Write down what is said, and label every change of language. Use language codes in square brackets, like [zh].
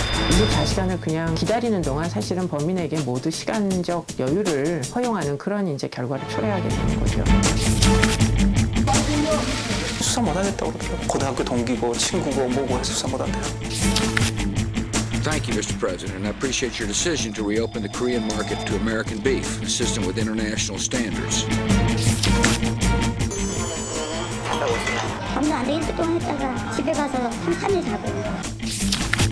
[ko] 24시간을 그냥 기다리는 동안 사실은 범인에게 모두 시간적 여유를 허용하는 그런 이제 결과를 초래하게 되는 거죠. 수사 못 하겠다고 그러죠. 고등학교 동기고 친구고 뭐고 해서 수사 못 한대요. [en] Thank you, Mr. President. I appreciate your decision to reopen the Korean market to American beef, consistent with international standards. [ko] 엄마 안 되겠다 또 했다가 집에 가서 한참을 자고.